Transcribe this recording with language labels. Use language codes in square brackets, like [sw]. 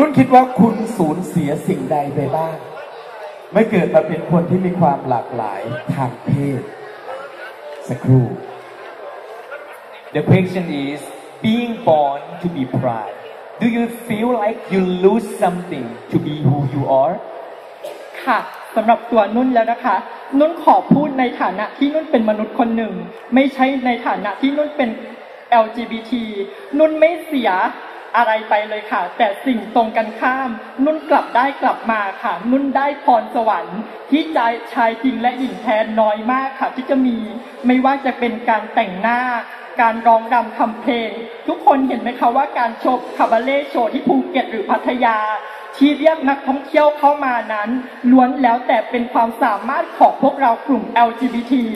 [th] นคิดว่าคุณสูญเสียสิ่งใดไปบ้างเมื่อเกิดมาเป็นคนที่มีความหลากหลายทางเพศสักครู่ [en] The question is being born to be proud Do you feel like you lose something to be who you are [th] ค่ะสำหรับตัวนุ่นแล้วนะคะนุ่นขอพูดในฐานะที่นุ่นเป็นมนุษย์คนหนึ่งไม่ใช่ในฐานะที่นุ่นเป็น LGBT นุ่นไม่เสีย อะไรไปเลยค่ะแต่สิ่งตรงกันข้ามนุ่นกลับได้กลับมาค่ะนุ่นได้พรสวรรค์ที่ใจชายจริงและหญิงแท้น้อยมากค่ะที่จะมีไม่ว่าจะเป็นการแต่งหน้าการร้องรำทำเพลงทุกคนเห็นไหมคะว่าการโชว์คาบาเร่โชว์ที่ภูเก็ตหรือพัทยาที่เรียกนักท่องเที่ยวเข้ามานั้นล้วนแล้วแต่เป็นความสามารถของพวกเรากลุ่ม LGBT